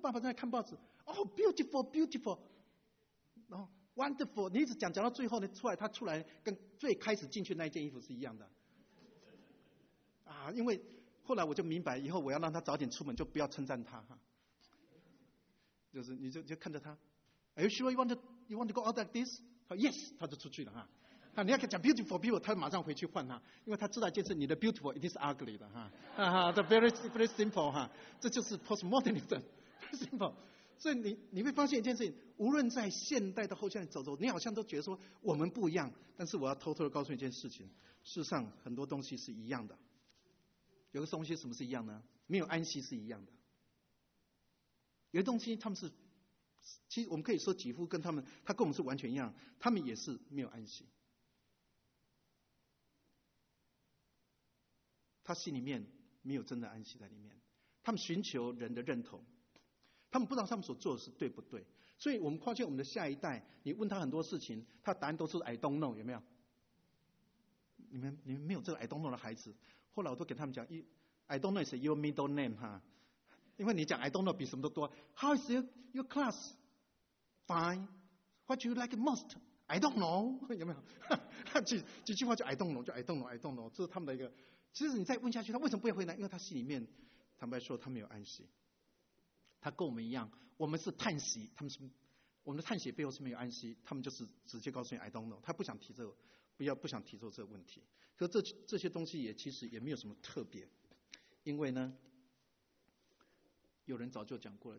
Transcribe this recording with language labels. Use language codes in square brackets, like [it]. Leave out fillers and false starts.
[zh] 爸爸在看报纸，哦 ， [en] beautiful beautiful， [zh] 然后 wonderful。你一直讲到最后呢，出来他出来跟最开始进去那件衣服是一样的。啊，因为后来我就明白，以后我要让他早点出门，就不要称赞他哈。就是你就看着他 [en] ，Are you sure you want to go out like this？ [zh] 说 yes， 他就出去了哈。啊，你要讲 beautiful people， 他马上回去换他，因为他知道一件事，你的 [en] beautiful it is ugly [zh] 的哈，哈 [en] very very simple [zh] 哈，这就是 postmodernism， simple。所以你会发现一件事情，无论在现代的后现代走，你好像都觉得说我们不一样，但是我要偷偷的告诉你一件事情，事实上很多东西是一样的。有个东西什么是一样呢？没有安息是一样的。有些东西他们是，其实我们可以说几乎跟他们，他跟我们是完全一样，他们也是没有安息。他心里面没有真的安息在里面，他们寻求人的认同，他们不知道他们所做的是对不对，所以我们发现我们的下一代，你问他很多事情，他答案都是 [en] I don't know， [zh] 有没有？你们没有这个 [en] I don't know [zh] 的孩子，后来我都给他们讲 [en] I don't know is your middle name [zh] 哈，因为你讲 I don't know 比什么都多。 [en] How is your class? Fine. What do you like most? I don't know， [zh] 有没有？几句话就 [en] I don't know， 就 I don't know， I don't know， [zh] 这是他们的一个。其实你再问下去，他为什么不会回答？因为他心里面，坦白说，他没有安息。他跟我们一样，我们是叹息，他们是我们的叹息背后是没有安息。他们就是直接告诉你 [en] I don't know， [zh] 他不想提这个，不想提出这个问题。可是这些东西也其实也没有什么特别，因为呢，有人早就讲过了。